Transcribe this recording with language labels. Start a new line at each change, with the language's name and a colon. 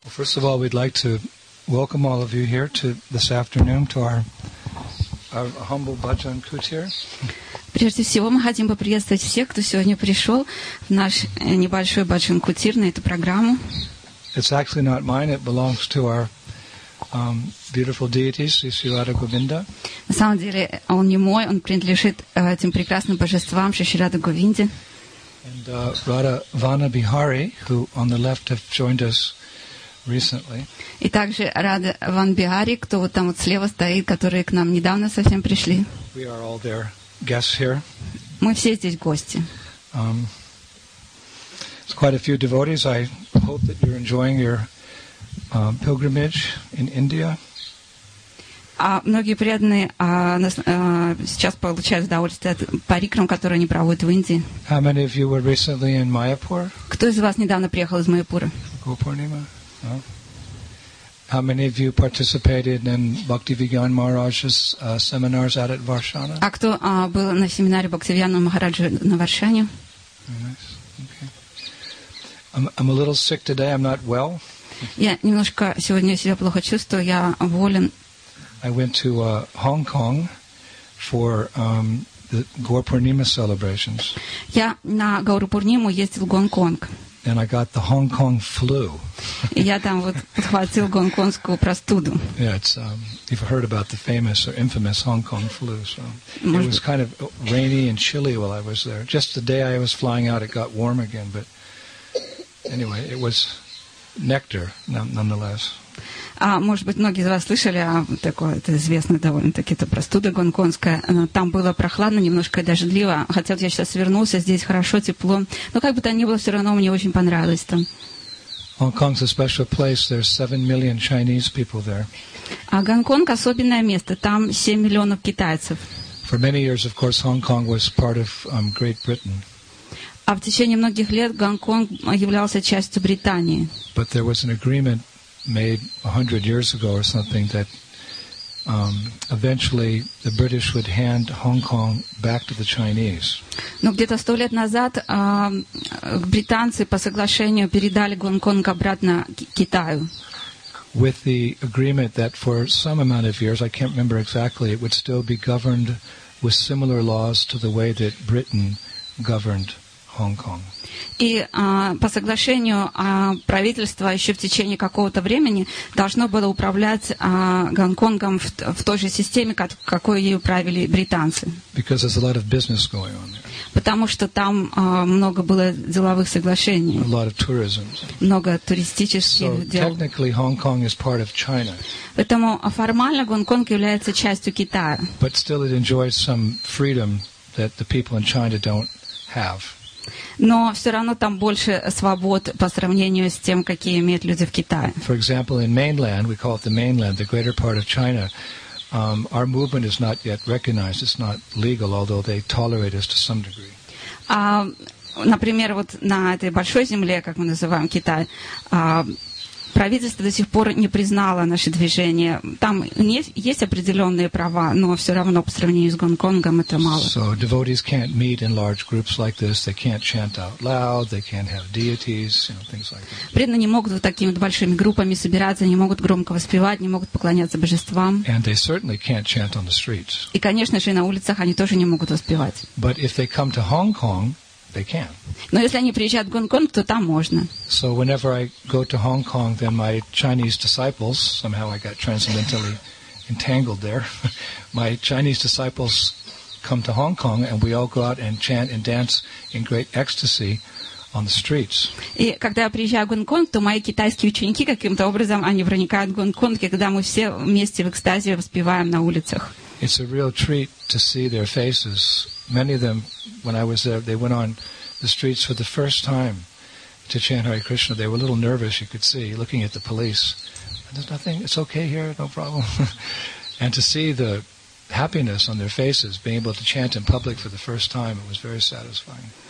English: Well, first of all, we'd like to welcome all of you here to this afternoon to our humble bhajan kutir.
Russian: Прежде всего, мы хотим поприветствовать всех, кто сегодня пришел в наш небольшой бхаджан кутир, на эту программу.
English: It's actually not mine, it belongs to our beautiful deity, Sri Radha Govinda.
Russian: На самом деле, он не мой, он принадлежит этим прекрасным божествам, Шри Радха Говинде.
English: And Radha Vana Bihari, who on the left have joined us recently.
Russian: И также Радха Ван Бихари, кто вот там вот слева стоит, которые к нам недавно совсем пришли.
English: We are all there. Guests here.
Russian: Мы все здесь гости.
English: It's quite a few devotees. I hope that you're enjoying your pilgrimage in India.
Russian: Многие преданные сейчас получают удовольствие от парикрам, которые они проводят в Индии.
English: How many of you were recently in Mayapur?
Russian: Кто из вас недавно приехал из Майяпура? Гопурнима.
English: How many of you participated in Bhakti Vigyan Maharaj's seminars out at Varshana?
Russian: А кто был на семинаре Бхакти Вигьяна Махараджа на Варшане?
English: I'm a little sick today. I'm not well.
Russian: Я немножко сегодня себя плохо чувствую. Я болен.
English: I went to Hong Kong for the Gaurapurnima celebrations.
Russian: Я на Гаурапурниму ездил в Гонконг.
English: And I got the Hong Kong flu.
Russian: Я там вот подхватил гонконгскую простуду.
English: Yeah, it's you've heard about the famous or infamous Hong Kong flu. So it was kind of rainy and chilly while I was there. Just the day I was flying out, it got warm again. But anyway, it was nectar nonetheless.
Russian: А может быть, многие из вас слышали о такой это известной довольно-таки это простуда гонконгская. Там было прохладно, немножко дождливо. Хотя вот я сейчас вернулся, здесь хорошо, тепло. Но как бы то ни было, все равно мне очень понравилось там.
English: Hong Kong's a special place. There's 7 million Chinese people there.
Russian: А Гонконг особенное место. Там 7 миллионов китайцев.
English: For many years, of course, Hong Kong was part of Great Britain.
Russian: А в течение многих лет Гонконг являлся частью Британии.
English: But there was an agreement made 100 years ago or something that eventually the British would hand Hong Kong back to the Chinese.
Russian: Но где-то 100 лет назад британцы по соглашению передали Гонконг обратно Китаю.
English: With the agreement that for some amount of years, I can't remember exactly, it would still be governed with similar laws to the way that Britain governed Hong Kong.
Russian: И по соглашению правительство еще в течение какого-то времени должно было управлять Гонконгом в той же системе, какой ее правили британцы.
English: Because there's a lot of business going on there.
Russian: Потому что там много было деловых соглашений.
English: A lot of tourism.
Russian: Много туристических дел.
English: So technically Hong Kong is part of China.
Russian: Поэтому формально Гонконг является частью Китая.
English: But still it enjoys some freedom that the people in China don't have.
Russian: Но все равно там больше свобод по сравнению с тем, какие имеют люди в Китае.
English: For example, in mainland, we call it the mainland, the greater part of China, our movement is not yet recognized, it's not legal, although they tolerate us to some degree.
Russian: Например, вот на этой большой земле, как мы называем Китай, правительство до сих пор не признало наше движение. Там есть определенные права, но все равно по сравнению с Гонконгом это мало.
English: So devotees can't meet in large groups like this. They can't chant out loud. They can't have deities, you know, things like that.
Russian: Преданные не могут вот такими вот большими группами собираться, не могут громко воспевать, не могут поклоняться божествам.
English: And they certainly can't chant on the streets.
Russian: И, конечно же, на улицах они тоже не могут воспевать.
English: But if they come to Hong Kong, they can.
Russian: Но если они приезжают в Гонконг, то там можно.
English: So whenever I go to Hong Kong, then my Chinese disciples, somehow I got transcendentally entangled there, my Chinese disciples come to Hong Kong and we all go out and chant and dance in great ecstasy on the streets.
Russian: И когда я приезжаю в Гонконг, то мои китайские ученики каким-то образом они проникают в Гонконг, и когда мы все вместе в экстазе воспеваем на улицах.
English: It's a real treat to see their faces. Many of them, when I was there, they went on the streets for the first time to chant Hare Krishna. They were a little nervous, you could see, looking at the police. There's nothing, it's okay here, no problem. And to see the happiness on their faces, being able to chant in public for the first time, it was very satisfying.